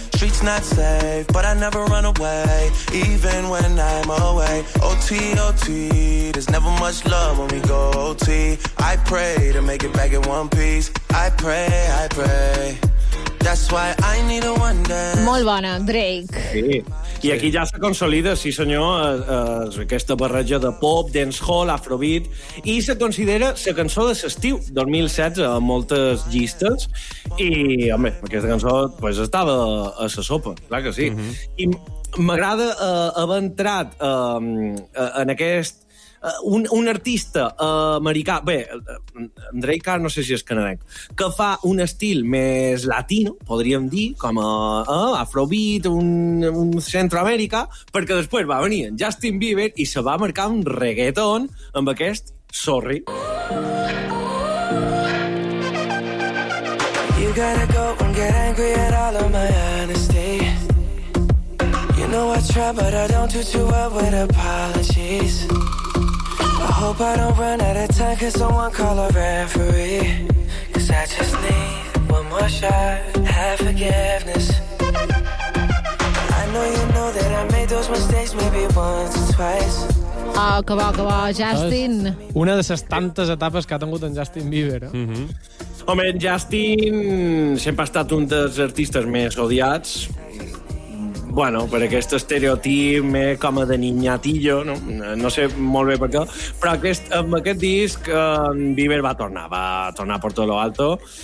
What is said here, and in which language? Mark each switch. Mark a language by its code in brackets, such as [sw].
[en] Streets not safe, but I never run away. Even when I'm away. OT, OT, there's never much love when we go OT. I pray to make it back in one piece. I pray, I pray. That's why I need a one dance. [ca] Molt bona, Drake. Sí. I aquí ja se consolida, sí senyor, aquesta barreja de pop, dancehall, afrobeat, i se considera la cançó de l'estiu 2016 a moltes llistes, i home, aquesta cançó pues, estava a la sopa, clar que sí. Uh-huh. I m'agrada haver entrat en aquest un artista americà, bé, Drake, no sé si és canadenc, que fa un estil més latino, podríem dir, com a afrobeat, un Centroamèrica, perquè després va venir en Justin Bieber i se va marcar un reggaeton amb aquest Sorry. [en] You gotta go and get angry at all of my honesty. You know I try, but I don't do too well with apologies. I hope I don't run out of time, cause someone call a referee. Cause I just need one more shot, have forgiveness. I know you know that I made those mistakes maybe once or twice. [ca] Ah, que va, Justin. És una de les tantes etapes que ha tingut en Justin Bieber. Eh? Mm-hmm. Home, en Justin sempre ha estat un dels artistes més odiats. Bueno, per aquest estereotip com a de niñatillo, no sé molt bé per què, però amb aquest disc Bieber va tornar [es] por todo lo alto.